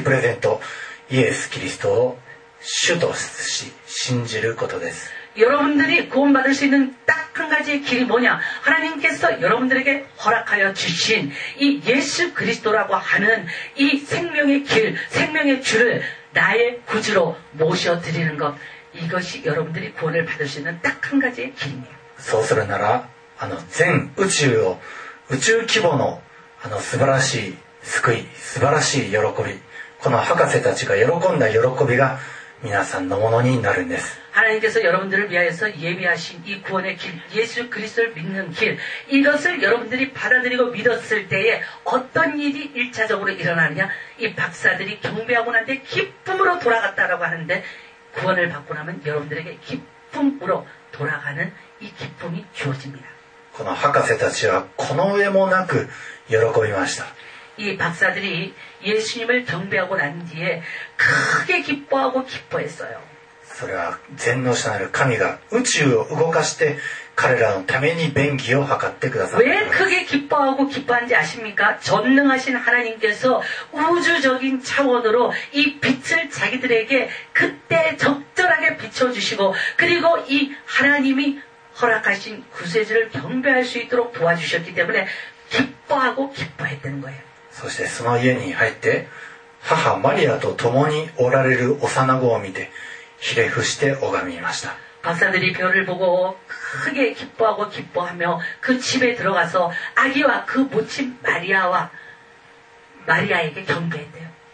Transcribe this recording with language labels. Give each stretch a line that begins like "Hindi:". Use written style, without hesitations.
Japanese: 神様が与えてくださったその素晴らしいプレゼント、イエスキリストを 主として信じることです。
Korean: 여러분들이 구원받을 수 있는 딱 한 가지의 길이 뭐냐? 하나님께서 여러분들에게 허락하여 주신 이 예수 그리스도라고 하는 이 생명의 길, 생명의 주를 나의 구주로 모셔 드리는 것. 이것이 여러분들이 구원을 받을 수 있는 딱 한 가지의 길입니다.
Japanese: そうするなら、全宇宙を宇宙規模の素晴らしい救い、素晴らしい喜び、この博士たちが喜んだ喜びが 皆さんのものになるんです。
Korean: 하나님께서 여러분들을 위하여서 예비하신 이 구원의 길, 예수 그리스도를 믿는 길, 이것을 여러분들이 받아들이고 믿었을 때에 어떤 일이 1차적으로 일어나느냐? 이 박사들이 경배하고 난 뒤 기쁨으로 돌아갔다라고 하는데 구원을 받고 나면 여러분들에게 기쁨으로 돌아가는 이 기쁨이 주어집니다.
Japanese: この博士たちはこの上もなく喜びました。
Korean: 이 박사들이 예수님을 경배하고 난 뒤에 크게 기뻐하고 기뻐했어요.
Japanese: それは全能者なる神が宇宙を動かして彼らのために便宜を図ってくださった。
Korean: 왜 크게 기뻐하고 기뻐한지 아십니까? 전능하신 하나님께서 우주적인 차원으로 이 빛을 자기들에게 그때 적절하게 비춰주시고 그리고 이 하나님이 허락하신 구세주를 경배할 수 있도록 도와주셨기 때문에 기뻐하고 기뻐했던 거예요.
Japanese: そしてその家に入って母マリアと共におられる幼子を見てひれ伏して拝みました。
Korean: 박사들이 별을 보고 크게 기뻐하고 기뻐하며 그 집에 들어가서 아기와 그 모친 마리아와 마리아에게 경배했대요.